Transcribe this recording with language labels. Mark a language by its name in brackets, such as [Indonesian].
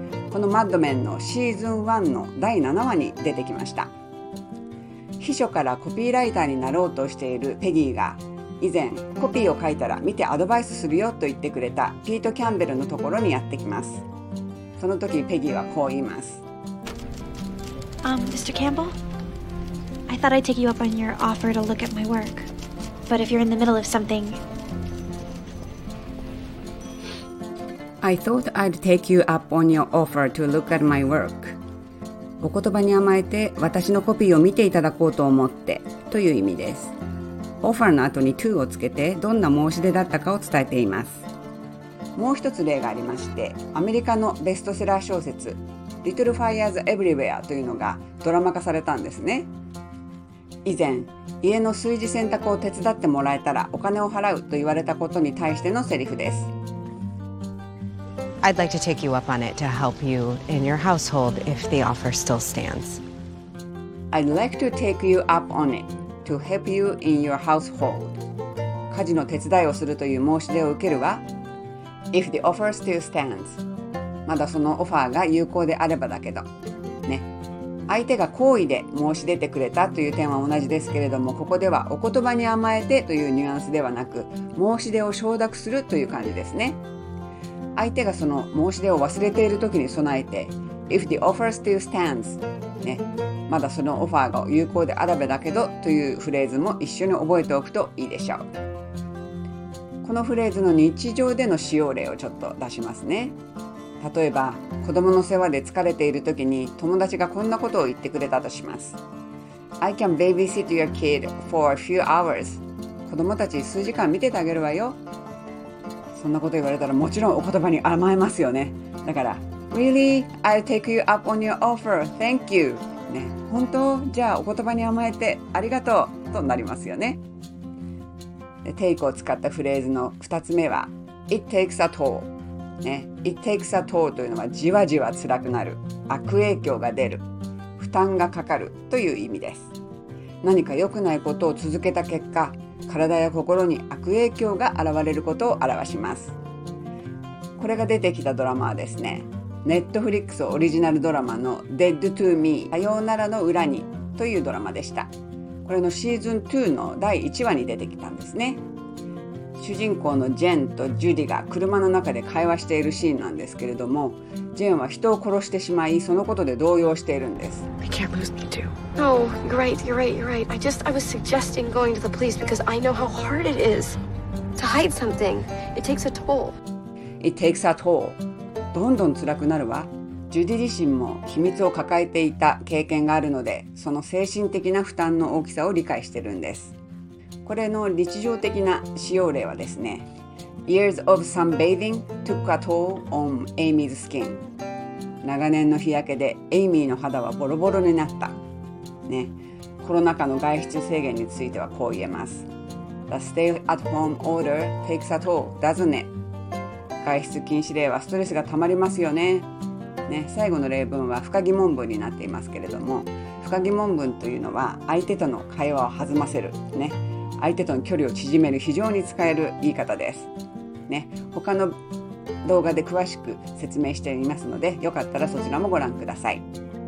[Japanese] このマッドメンのシーズン1の第7話に出てきました。秘書からコピーライターになろうとしているペギーが、以前コピーを書いたら見てアドバイスするよと言ってくれたピート・キャンベルのところにやってきます。その時ペギーはこう言います。 [English] Mr. Campbell? I thought I'd take you up on your offer to look at my work. But if you're in the middle of something... I thought I'd take you up on your offer to look at my work. [Japanese] お言葉に甘えて私のコピーを見ていただこうと思ってという意味です。 Offer の後に to をつけてどんな申し出だったかを伝えています。もう一つ例がありまして、アメリカのベストセラー小説 Little Fires Everywhere というのがドラマ化されたんですね。以前、家の炊事洗濯を手伝ってもらえたらお金を払うと言われたことに対してのセリフです。 [English] I'd like to take you up on it to help you in your household if the offer still stands. I'd like to take you up on it to help you in your household. [Japanese] 家事の手伝いをするという申し出を受けるわ。 [English] If the offer still stands. [Japanese] まだそのオファーが有効であればだけど。ね。相手が好意で申し出てくれたという点は同じですけれども、ここではお言葉に甘えてというニュアンスではなく、申し出を承諾するという感じですね。相手がその申し出を忘れている時に備えて、 [English] If the offer still stands、 [Japanese] ね、まだそのオファーが有効であればだけどというフレーズも一緒に覚えておくといいでしょう。このフレーズの日常での使用例をちょっと出しますね。例えば、子供の世話で疲れている時に友達がこんなことを言ってくれたとします。 [English] I can babysit your kid for a few hours. [Japanese] 子供たち数時間見ててあげるわよ。そんなこと言われたらもちろんお言葉に甘えますよね。だから、 [English] Really? I'll take you up on your offer. Thank you.、 [Japanese] ね、本当？じゃあお言葉に甘えてありがとうとなりますよね。で、take を使ったフレーズの2つ目は、 [English] It takes a toll. [Japanese] ね、 [English] It takes a toll [Japanese] というのはじわじわ辛くなる、悪影響が出る、負担がかかるという意味です。何か良くないことを続けた結果、体や心に悪影響が現れることを表します。これが出てきたドラマはですね、 Netflix オリジナルドラマの Dead to Me さようならの裏にというドラマでした。これのシーズン2の第1話に出てきたんですね。主人公のジェンとジュディが車の中で会話しているシーンなんですけれども、ジェンは人を殺してしまい、そのことで動揺しているんです。 [English] I can't lose me too. No, you're right, you're right, you're right. I was suggesting going to the police because I know how hard it is to hide something. It takes a toll. It takes a toll. [Japanese] どんどん辛くなるわ。ジュディ自身も秘密を抱えていた経験があるので、その精神的な負担の大きさを理解してるんです。これの日常的な使用例はですね、 [English] Years of sunbathing took a toll on Amy's skin。 [Japanese] 長年の日焼けでエイミーの肌はボロボロになったね。コロナ禍の外出制限についてはこう言えます。 [English] The stay at home order takes a toll, doesn't it? [Japanese] 外出禁止令はストレスがたまりますよね。ね、最後の例文は不可疑問文になっていますけれども、不可疑問文というのは相手との会話を弾ませる、ね、相手との距離を縮める非常に使える言い方です、ね、他の動画で詳しく説明していますので、よかったらそちらもご覧ください。